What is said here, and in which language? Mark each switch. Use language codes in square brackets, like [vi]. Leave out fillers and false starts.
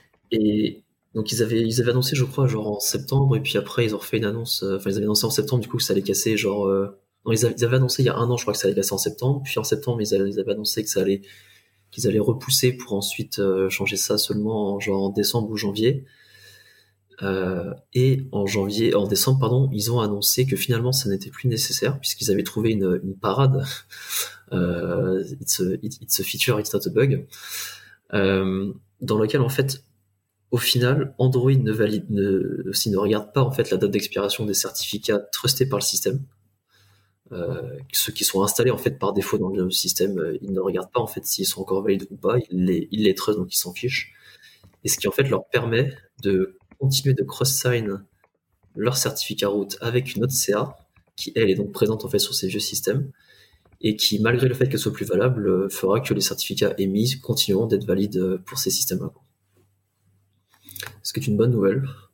[fr] Et donc ils avaient annoncé, je crois, genre en septembre, et puis après ils ont refait une annonce, ils avaient annoncé en septembre du coup que ça allait casser genre non, ils avaient annoncé il y a un an, je crois, que ça allait casser en septembre, puis en septembre ils avaient annoncé que ça allait qu'ils allaient repousser pour ensuite changer ça seulement en décembre ou janvier. En décembre, ils ont annoncé que finalement ça n'était plus nécessaire puisqu'ils avaient trouvé une parade. [en] it's a feature, it's not a bug. [fr] Dans lequel, en fait, au final, Android ne regarde pas en fait la date d'expiration des certificats trustés par le système. Ceux qui sont installés en fait par défaut dans le système, ils ne regardent pas en fait s'ils sont encore valides ou pas, ils les trustent, donc ils s'en fichent, et ce qui en fait leur permet de continuer de cross-sign leur certificat root avec une autre CA qui elle est donc présente en fait sur ces vieux systèmes et qui, malgré le fait qu'elle soit plus valable, fera que les certificats émis continueront d'être valides pour ces systèmes là, ce qui est une bonne nouvelle.